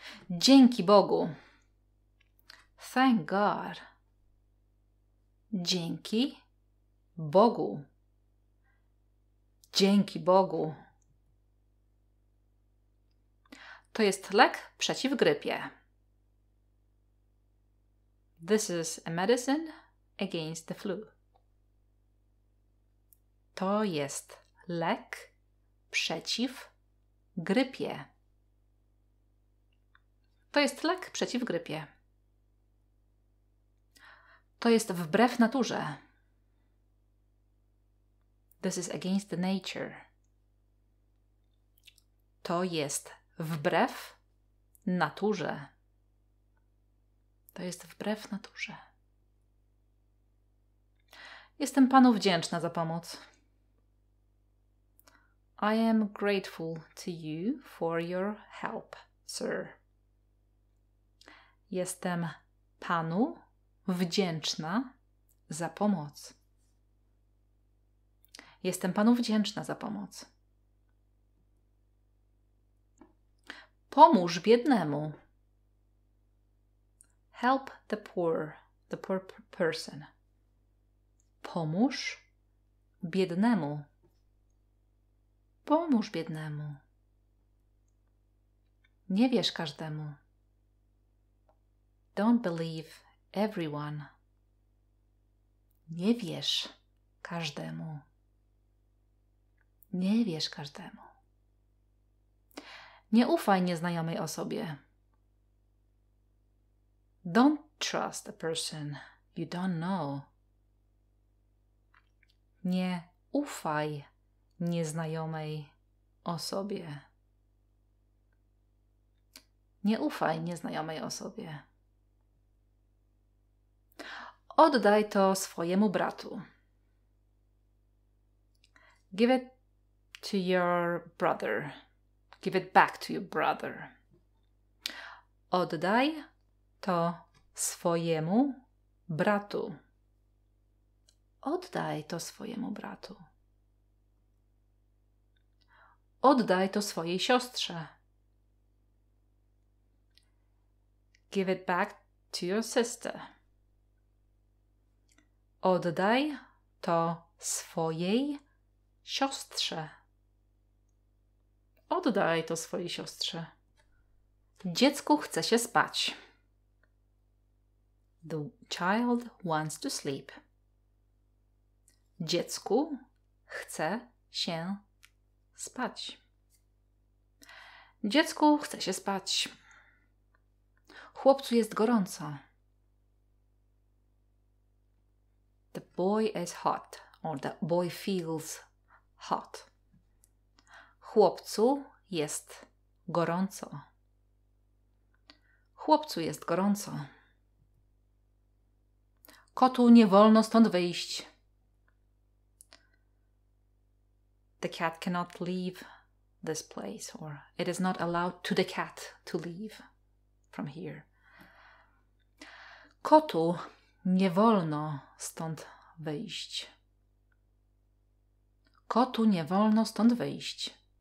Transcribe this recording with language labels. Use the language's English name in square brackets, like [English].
[Polish] Dzięki Bogu. [English] Thank God. [Polish] Dzięki Bogu. Dzięki Bogu. To jest lek przeciw grypie. [English] This is a medicine against the flu. [Polish] To jest lek przeciw grypie. To jest lek przeciw grypie. To jest wbrew naturze. [English] This is against the nature. [Polish] To jest wbrew naturze. To jest wbrew naturze. Jestem panu wdzięczna za pomoc. [English] I am grateful to you for your help, sir. [Polish] Jestem panu wdzięczna za pomoc. Jestem panu wdzięczna za pomoc. Pomóż biednemu. [English] Help the poor person. [Polish] Pomóż biednemu. Pomóż biednemu. Nie wierz każdemu. [English] Don't believe everyone. [Polish] Nie wierz każdemu. Nie wierz każdemu. Nie ufaj nieznajomej osobie. [English] Don't trust a person you don't know. [Polish] Nie ufaj nieznajomej osobie. Nie ufaj nieznajomej osobie. Oddaj to swojemu bratu. [English] Give it to your brother. Give it back to your brother. [Polish] Oddaj to swojemu bratu. Oddaj to swojemu bratu. Oddaj to swojej siostrze. [English] Give it back to your sister. [Polish] Oddaj to swojej siostrze. Oddaj to swojej siostrze. Dziecku chce się spać. [English] The child wants to sleep. [Polish] Dziecku chce się spać. Dziecku chce się spać. Chłopcu jest gorąco. [English] The boy is hot, or the boy feels hot. [Polish] Chłopcu jest gorąco. Chłopcu jest gorąco. Kotu nie wolno stąd wyjść. [English] The cat cannot leave this place, or it is not allowed to the cat to leave from here. [Polish] Kotu nie wolno stąd wyjść. Kotu nie wolno stąd wyjść.